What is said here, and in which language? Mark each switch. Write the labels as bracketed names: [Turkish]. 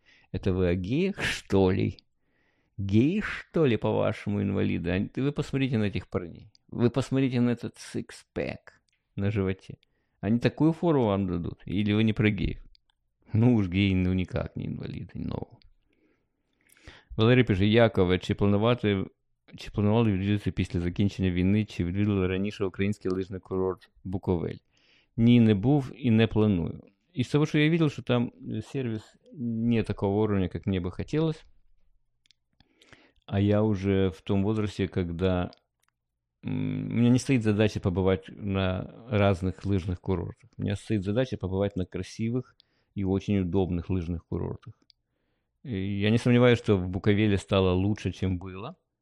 [Russian] Это вы о геях, что ли? Гей, что ли, по-вашему, инвалиды? Вы посмотрите на этих парней. Вы посмотрите на этот сикс-пэк на животе. Они такую фору вам дадут? Или вы не про геев? Ну уж гей, ну никак не инвалиды, но. [Ukrainian] Валерий пишет, Якове, чи планували відвідати після закінчення війни, чи відвідали раніше український лижний курорт Буковель? Ні, не був і не планую. Із того, що я бачив, що там сервіс не такого рівня, як мені би хотілося. [Russian] А я уже в том возрасте, когда у меня не стоит задача побывать на разных лыжных курортах. У меня стоит задача побывать на красивых и очень удобных лыжных курортах. И я не сомневаюсь, что в Буковеле стало лучше, чем было.